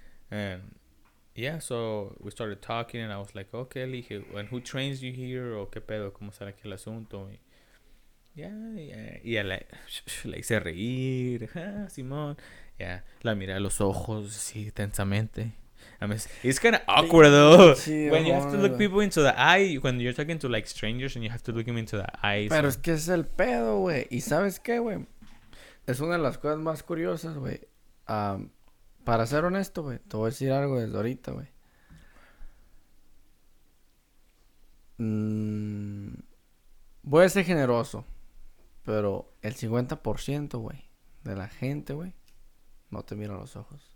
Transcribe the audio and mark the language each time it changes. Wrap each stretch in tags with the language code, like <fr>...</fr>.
<en>And yeah, so we started talking and I was like, okay,</en> <es>le dije,</es> <en>and who trains you here?</en> <es>O qué pedo, cómo será aquí el asunto. Y ya, le hice reír. Ah, Simón. Ya, la miré a los ojos así tensamente.</es> <en>I mean, it's kind of awkward though when you have to look people into the eye, when you're talking to like strangers and you have to look them into the eyes.</en> <es>Pero es que es el pedo, güey. ¿Y sabes qué, güey? Es una de las cosas más curiosas, güey. Para ser honesto, güey, te voy a decir algo desde ahorita, güey. Voy a ser generoso, pero el 50%, güey, de la gente, güey, no te mira a los ojos.</es>